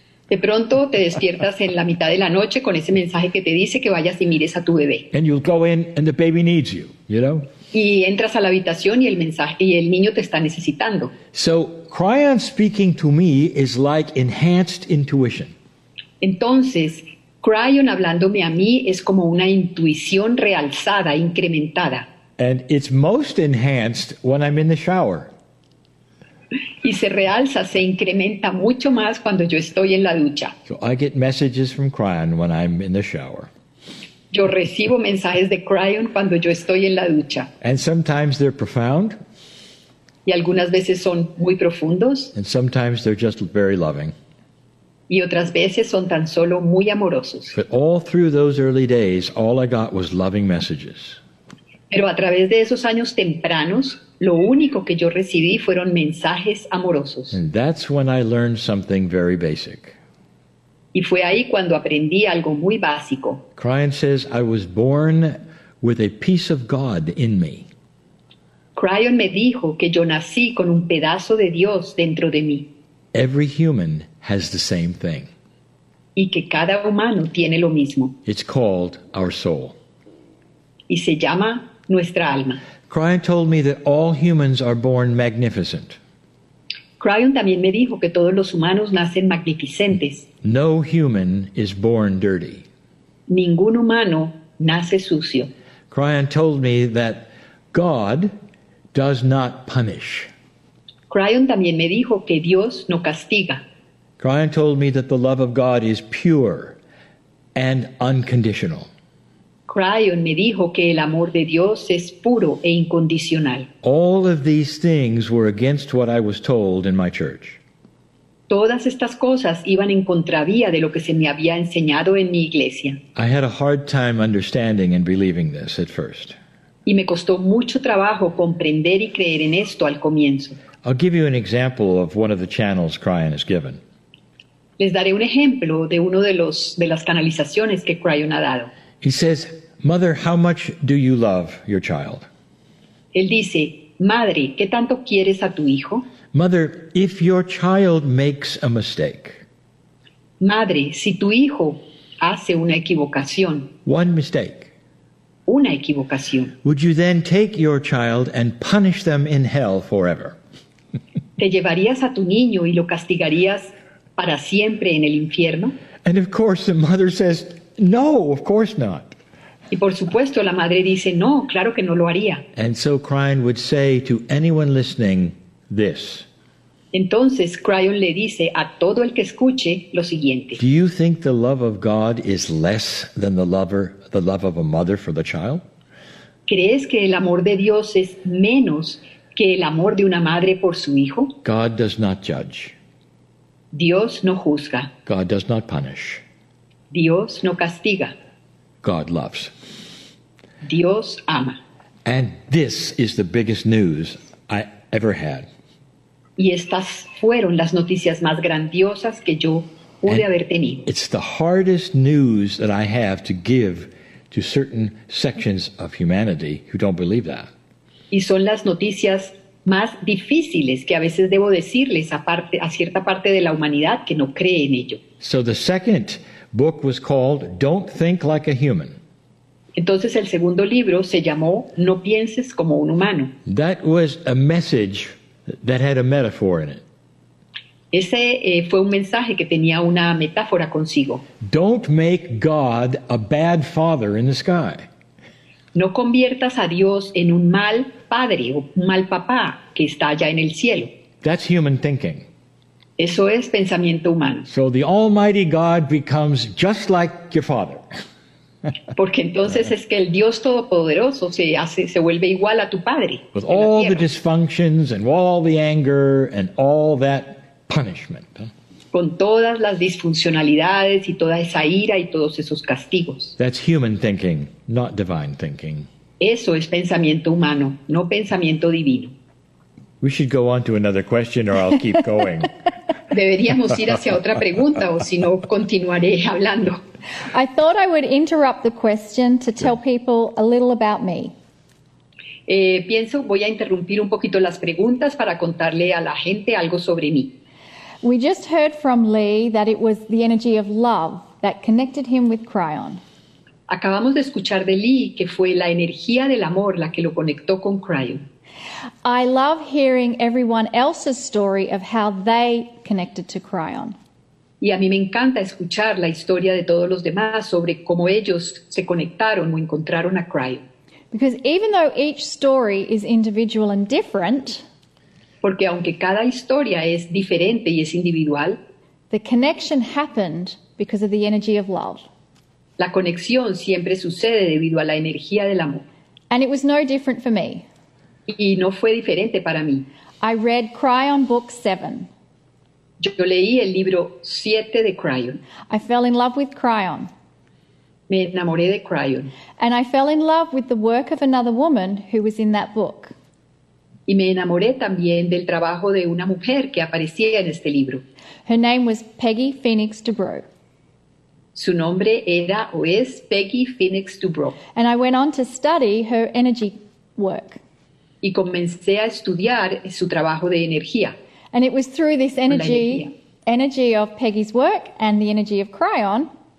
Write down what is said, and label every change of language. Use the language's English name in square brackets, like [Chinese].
[Spanish] De pronto te despiertas en la mitad de la noche con ese mensaje que te dice que vayas y mires a tu bebé. [English] And you'll go in and the baby needs you, you know? [Spanish] Y entras a la habitación y el mensaje y el niño te está necesitando. [English] So, Cryon speaking to me is like enhanced intuition. [Spanish] Entonces, Cryon hablándome a mí es como una intuición realzada, incrementada. [English] And it's most enhanced when I'm in the shower. [Spanish] Y se realza, se incrementa mucho más cuando yo estoy en la ducha. [English] So I get messages from Cryon when I'm in the shower. [Spanish] Yo recibo mensajes de Cryon cuando yo estoy en la ducha. [English] And sometimes they're profound. [Spanish] Y algunas veces son muy profundos. [English] And sometimes they're just very loving. [Spanish] Y otras veces son tan solo muy amorosos. [English] But all through those early days, all I got was loving messages. [Spanish] Pero a través de esos años tempranos, lo único que yo recibí fueron mensajes amorosos. [English] And that's when I learned something very basic. [Spanish] Y fue ahí cuando aprendí algo muy básico. [English] Cryan says, I was born with a piece of God in me. [Spanish] Cryan me dijo que yo nací con un pedazo de Dios dentro de mí. [English] Every human has the same thing. [Spanish] Y que cada humano tiene lo mismo. [English] It's called our soul. [Spanish] Y se llama nuestra alma. [English] Cryan told me that all humans are born magnificent. [Spanish] Cryan también me dijo que todos los humanos nacen magnificentes. [English] No human is born dirty. [Spanish] Ningún humano nace sucio. [English] Cryan told me that God does not punish. [Spanish] Cryan también me dijo que Dios no castiga. [English] Cryan told me that the love of God is pure and unconditional. [Spanish] Cryan me dijo que el amor de Dios es puro e incondicional. [English] All of these things were against what I was told in my church. [Spanish] Todas estas cosas iban en contravía de lo que se me había enseñado en mi iglesia. [English] I had a hard time understanding and believing this at first. [Spanish] Y me costó mucho trabajo comprender y creer en esto al comienzo. [English] I'll give you an example of one of the channels Cryan has given. [Spanish] Les daré un ejemplo de uno de los de las canalizaciones que Cryan ha dado. [English] He says, "Mother, how much do you love your child?" [Spanish] Él dice, "Madre, ¿qué tanto quieres a tu hijo?" [English] "Mother, if your child makes a mistake." [Spanish] Madre, si tu hijo hace una equivocación. [English] One mistake. [Spanish] Una equivocación. [English] "Would you then take your child and punish them in hell forever?" [Spanish] ¿Te llevarías a tu niño y lo castigarías para siempre en el infierno? [English] And of course the mother says, "No, of course not." [Spanish] Y por supuesto la madre dice, "No, claro que no lo haría." [English] And so Cryan would say to anyone listening this. [Spanish] Entonces Cryan le dice a todo el que escuche lo siguiente. [English] "Do you think the love of God is less than the love of a mother for the child?" [Spanish] ¿Crees que el amor de Dios es menos que el amor de una madre por su hijo? [English] God does not judge. [Spanish] Dios no juzga. [English] God does not punish. [Spanish] Dios no castiga. [English] God loves. [Spanish] Dios ama. [English] And this is the biggest news I ever had. [Spanish] Y estas fueron las noticias más grandiosas que yo pude [English] and [Spanish] haber tenido. [English] It's the hardest news that I have to give to certain sections of humanity who don't believe that. [Spanish] Y son las noticias más difíciles que a veces debo decirles a cierta parte de la humanidad que no cree en ello. [English] So the second book was called Don't Think Like a Human. [Spanish] Entonces el segundo libro se llamó No Pienses Como un Humano. [English] That was a message that had a metaphor in it. [Spanish] Ese fue un mensaje que tenía una metáfora consigo. [English] Don't make God a bad father in the sky. [Spanish] No conviertas a Dios en un mal padre o un mal papá que está allá en el cielo. [English] That's human thinking. [Spanish] Eso es pensamiento humano. [English] So the Almighty God becomes just like your father. [Spanish] Porque entonces es que el Dios Todopoderoso se vuelve igual a tu padre. [English] With all the dysfunctions and all the anger and all that punishment. [Spanish] Con todas las disfuncionalidades y toda esa ira y todos esos castigos. [English] That's human thinking, not divine thinking. [Spanish] Eso es pensamiento humano, no pensamiento divino. [English] We should go on to another question or I'll keep going. [Spanish] Deberíamos ir hacia otra pregunta o si no continuaré hablando. [English] I thought I would interrupt the question to tell people a little about me. [Spanish] Pienso voy a interrumpir un poquito las preguntas para contarle a la gente algo sobre mí. [English] We just heard from Lee that it was the energy of love that connected him with Cryan. [Spanish] Acabamos de escuchar de Lee que fue la energía del amor la que lo conectó con Cryan. [English] I love hearing everyone else's story of how they connected to Cryan. [Spanish] Y a mí me encanta escuchar la historia de todos los demás sobre cómo ellos se conectaron o encontraron a Cryan. [English] Because even though each story is individual and different, [Spanish] porque aunque cada historia es diferente y es individual, [English] the connection happened because of the energy of love. [Spanish] La conexión siempre sucede debido a la energía del amor. [English] And it was no different for me. [Spanish] Y no fue diferente para mí. [English] I read Cryan book 7. [Spanish] Yo leí el libro 7 de Cryon. [English] I fell in love with Cryon. [Spanish] Me enamoré de Cryon. [English] And I fell in love with the work of another woman who was in that book. [Spanish] Y me enamoré también del trabajo de una mujer que aparecía en este libro. [English] Her name was Peggy Phoenix DuBrow. [Spanish] Su nombre era o es Peggy Phoenix DuBrow. [English] And I went on to study her energy work. [Spanish] Y comencé a estudiar su trabajo de energía. [English] And it was through this energy of Peggy's work and the energy of Cryon.